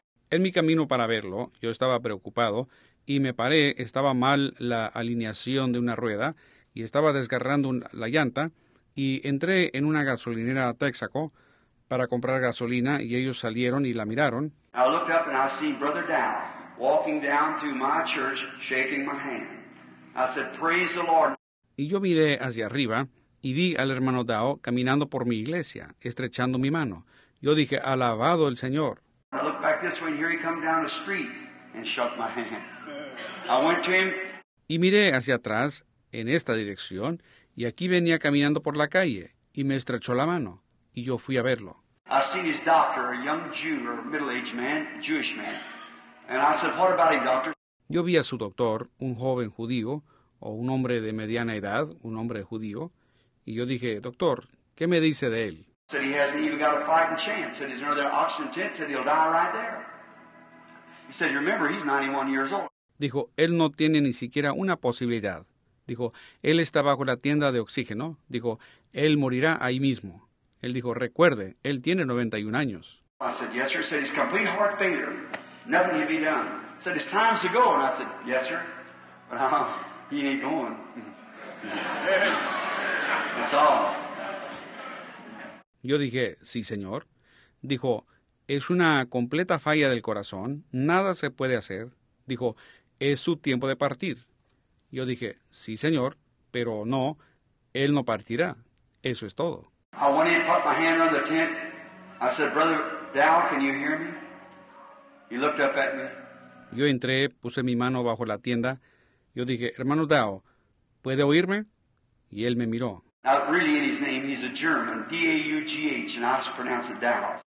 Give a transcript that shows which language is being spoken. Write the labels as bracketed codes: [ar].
[es] En mi camino para verlo, yo estaba preocupado, y me paré, estaba mal la alineación de una rueda, y estaba desgarrando la llanta, y entré en una gasolinera Texaco para comprar gasolina, y ellos salieron y la miraron. [en] I looked up and I seen Brother Dow walking down to my church, shaking my hand. I said, praise the Lord. [es] Y yo miré hacia arriba, y vi al hermano Dow caminando por mi iglesia, estrechando mi mano. Yo dije, alabado el Señor. [en] I looked back this way, and here he come down the street, and shook my hand. I went to him. [es] Y miré hacia atrás, en esta dirección, y aquí venía caminando por la calle, y me estrechó la mano, y yo fui a verlo. [en] I seen his doctor, a young Jew, or middle-aged man, Jewish man. And I said, what about him, doctor? [es] Yo vi a su doctor, un joven judío, o un hombre de mediana edad, un hombre judío, y yo dije, doctor, ¿qué me dice de él? [en] Said he hasn't even got a fighting chance. Said he's in another oxygen tent. Said he'll die right there. He said, remember, he's 91 years old. [es] Dijo, él no tiene ni siquiera una posibilidad. Dijo, él está bajo la tienda de oxígeno. Dijo, él morirá ahí mismo. Él dijo, recuerde, él tiene 91 años. [en] I said, yes, sir. Said he's complete heart failure. Nothing can be done. Said it's time to go. And I said, yes, sir. But he ain't going. That's all. [es] Yo dije, sí, señor. Dijo, es una completa falla del corazón. Nada se puede hacer. Dijo, es su tiempo de partir. Yo dije, sí, señor, pero no, él no partirá. Eso es todo. [en] I went in and put my hand under the tent. I said, Brother Dow, can you hear me? He looked up at me. [es] Yo entré, puse mi mano bajo la tienda. Yo dije, hermano Dow, ¿puede oírme? Y él me miró. [en] Not really in his name, he's a German, D-A-U-G-H, and I pronounce it Dow.